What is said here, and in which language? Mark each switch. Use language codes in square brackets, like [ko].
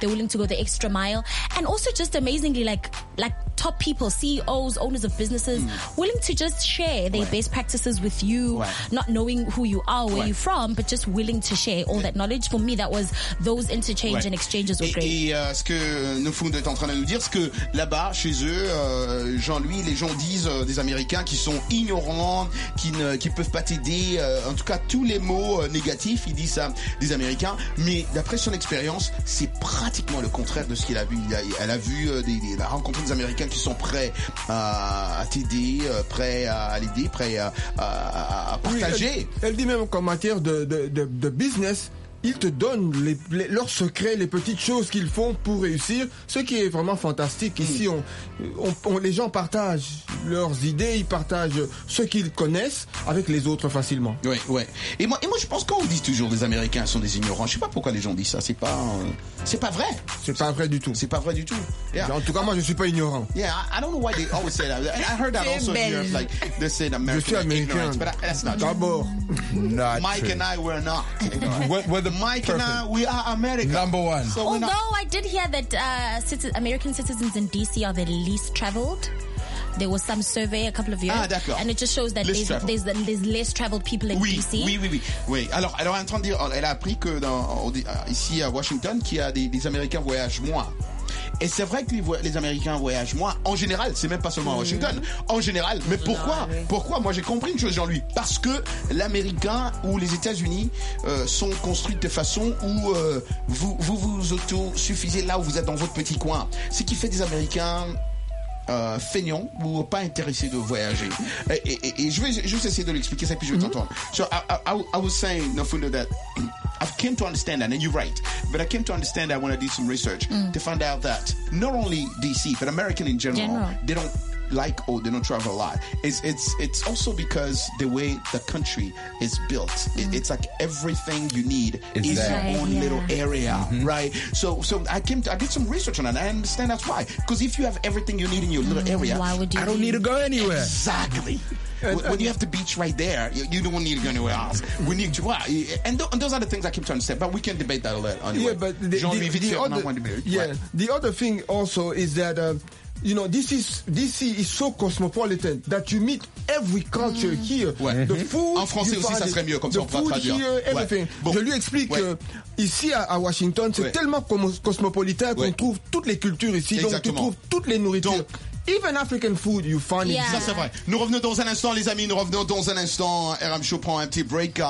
[en] They're willing to go the extra mile. And also just amazingly, like top people, CEOs, owners of businesses, willing to just share their, right, best practices with you, right, not knowing who you are, where, right, you're from, but just willing to share all, yeah, that knowledge. For me, that was those interchange, right, and exchanges were great. [fr] Et ce que nos fonds sont en train de nous dire, c'est que là-bas, chez eux, Jean-Louis, les gens disent des Américains qui sont ignorants, qui peuvent pas t'aider, en tout cas, tous les mots négatifs, ils disent ça des Américains. Mais d'après son expérience, c'est pratiquement le contraire de ce qu'il a vu. Elle a vu, elle a rencontré des Américains qui sont prêts à t'aider, prêts à l'aider, prêts à partager. Oui, elle dit même qu'en matière de business, ils te donnent leurs secrets, les petites choses qu'ils font pour réussir, ce qui est vraiment fantastique. Ici, les gens partagent leurs idées, ils partagent ce qu'ils connaissent avec les autres facilement. Oui, oui. Et moi, je pense qu'on dit toujours les Américains sont des ignorants. Je sais pas pourquoi les gens disent ça. C'est pas vrai. C'est pas vrai du tout. C'est pas vrai du tout. [en] Yeah. [fr] En tout cas, moi, je suis pas ignorant. [en] Yeah, I don't know why they always say that. I heard that also here, like they say American. [fr] Je suis américain. [en] But that's not true. [fr] D'abord, [en] not Mike true. And I were not. Mike perfect. And I, we are America. Number one. So although I did hear that American citizens in D.C. are the least traveled. There was some survey a couple of years. [fr] Ah, d'accord. [en] And it just shows that there's less traveled people in, [fr] oui, [en] D.C. [fr] Oui, oui, oui. Oui. Alors, elle est en train de dire, elle a appris que ici à Washington, qu'il y a des Américains voyagent moins. Et c'est vrai que les Américains voyagent moins. En général, c'est même pas seulement à Washington. En général. Mais pourquoi? Non, oui. Pourquoi? Moi, j'ai compris une chose, Jean-Louis. Parce que l'Américain ou les États-Unis sont construits de façon où vous autosuffisez là où vous êtes dans votre petit coin. Ce qui fait des Américains feignants ou pas intéressés de voyager. Et je vais juste essayer de l'expliquer ça, puis je vais t'entendre. [en] So, I was saying, no fun of that. I've came to understand that, and you're right, but I came to understand that when I did some research to find out that not only DC, but American in general, they don't like or they don't travel a lot. It's also because the way the country is built, it's like everything you need is your own little area, right? So I did some research on that, and I understand that's why. Because if you have everything you need in your little area, why would you need to go anywhere. Exactly. When you have the beach right there, you don't need to go anywhere else. We need to, and those are the things I keep trying to say, but we can debate that a little anyway. Yeah, but the other thing also is that, you know, DC is so cosmopolitan that you meet every culture here. [fr] Ouais. [en] The food, [fr] en français aussi, ça serait mieux, comme ça on pourra traduire. [en] Here, everything. Ouais. [fr] Bon. Je lui explique que ici à Washington, c'est tellement cosmopolitain qu'on trouve toutes les cultures ici. Exactement. Donc tu trouves toutes les nourritures. Donc, [en] even African food, you find it. [fr] Ça, c'est vrai. Nous revenons dans un instant, les amis. Nous revenons dans un instant. RM Show prend un petit break.